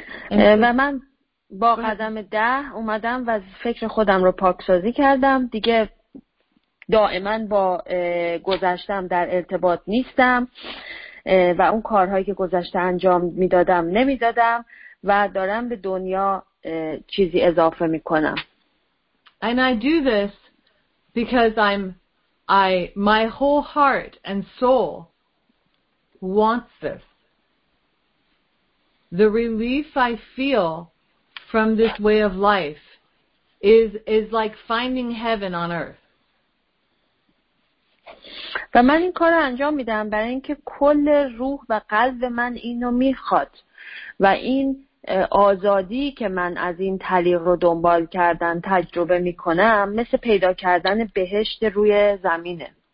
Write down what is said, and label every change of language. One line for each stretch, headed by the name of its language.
Persian: و من با قدم 10 اومدم و فکر خودم رو پاکسازی کردم. دیگه دائما با گذشتم در ارتباط نیستم. و اون کارهایی که گذشته انجام میدادم نمیدادم و دارم به دنیا چیزی اضافه میکنم.
English: And I do this because my whole heart and soul wants this. The relief I feel from this way of life is like finding heaven on earth.
Persian: و من این کار رو انجام میدم برای اینکه کل روح و قلب من اینو میخواد و این آزادی که من از این طریق رو دنبال کردن تجربه میکنم مثل پیدا کردن بهشت روی زمینه.